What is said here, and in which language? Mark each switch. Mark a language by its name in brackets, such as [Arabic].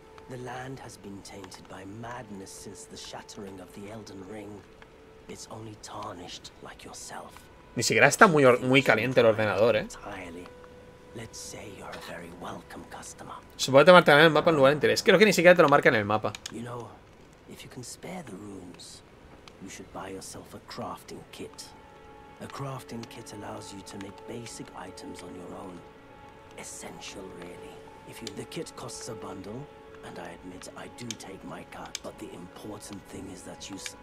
[English] The land has been tainted by madness since the shattering of the Elden Ring. It's only tarnished like yourself. [Spanish] Ni siquiera está muy, muy caliente el ordenador, ¿eh? [English] Let's say you're a very welcome customer. [Spanish] Supongo que te marcarán el mapa en lugar de interés. Creo que ni siquiera te lo marca en el mapa. [English] You know, if you can spare the runes, you should buy yourself a crafting kit. A crafting kit allows you to make basic items on your own. Essential, really. If you, the kit costs a bundle. And I admit I do take my cut, but the important thing is that you.